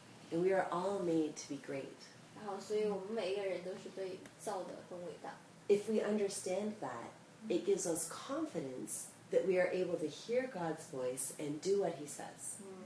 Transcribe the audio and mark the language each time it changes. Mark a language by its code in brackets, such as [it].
[en] And we are all made to be great. [zh] 然后所以我们每一个人都是被造得很伟大。 [en] If we understand that, it gives us confidence that we are able to hear God's voice and do what He says.